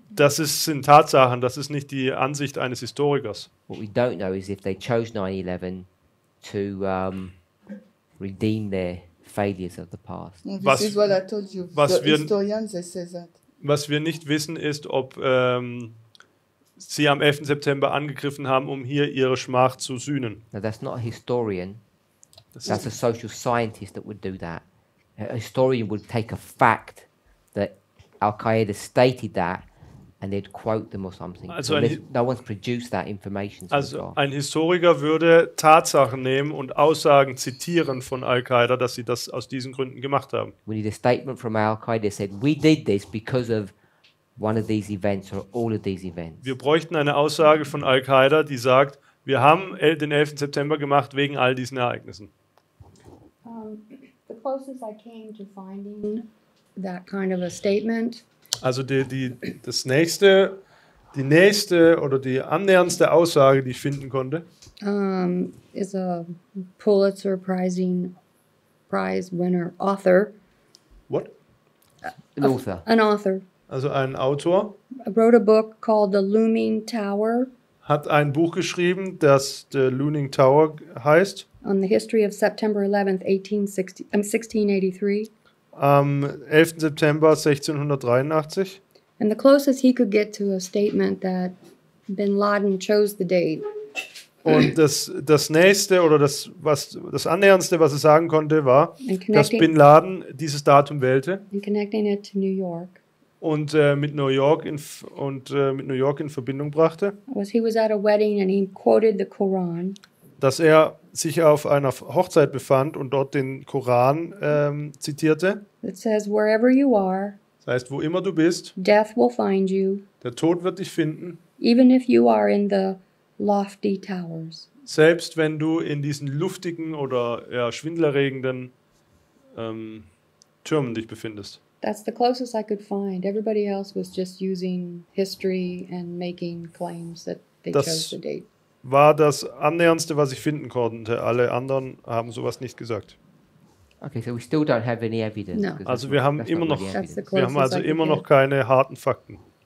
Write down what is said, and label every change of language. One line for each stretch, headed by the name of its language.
German: Das sind Tatsachen, das ist nicht die Ansicht eines Historikers.
English: What we don't know is if they chose 9/11 to redeem their failures of the past. This is what I told you. Historians they say that.
German: Was wir nicht wissen ist, ob sie am 11. September angegriffen haben, um hier ihre Schmach zu sühnen.
English: No, that's not a historian. That's a social scientist that would do that. A historian would take a fact that Al-Qaeda stated that and they'd quote them or something. Also no one's produced that information.
German: Also ein Historiker würde Tatsachen nehmen und Aussagen zitieren von Al-Qaeda, dass sie das aus diesen Gründen gemacht haben.
English: We need a statement from Al-Qaeda said, we did this because of one of these events or all of these events.
German: Wir bräuchten eine Aussage von Al-Qaeda, die sagt, wir haben den 11. September gemacht wegen all diesen Ereignissen.
English: The closest I came to finding that kind of a statement.
German: Also die nächste oder die annäherndste Aussage, die ich finden konnte,
English: is a Pulitzer Prize winner author. What? An author. An author.
German: Also ein Autor.
English: I wrote a book called The Looming Tower.
German: Hat ein Buch geschrieben, das The Looming Tower heißt.
English: On the history of September 11th, 1683.
German: Am 11. September 1683.
English: And the closest he could get to a statement that Bin Laden chose the date.
German: Und das nächste oder das annäherndste, was er sagen konnte, war, dass Bin Laden dieses Datum wählte.
English: And connecting it to New York.
German: Und mit New York in Verbindung brachte.
English: He was at a wedding and he quoted the Quran.
German: Dass er sich auf einer Hochzeit befand und dort den Koran zitierte.
English: It says, wherever you are,
German: das heißt, wo immer du bist,
English: death will find you,
German: der Tod wird dich finden.
English: Even if you are in the lofty towers.
German: Selbst wenn du in diesen luftigen oder ja, schwindlerregenden Türmen dich befindest.
English: That's the closest I could find. Everybody else was just using history and making claims that they
German: das
English: chose the date.
German: War das annäherndste, was ich finden konnte. Alle anderen haben sowas nicht gesagt.
English: Okay, so we still don't have any evidence. No.
German: Also wir haben immer noch really wir haben also immer noch keine harten Fakten.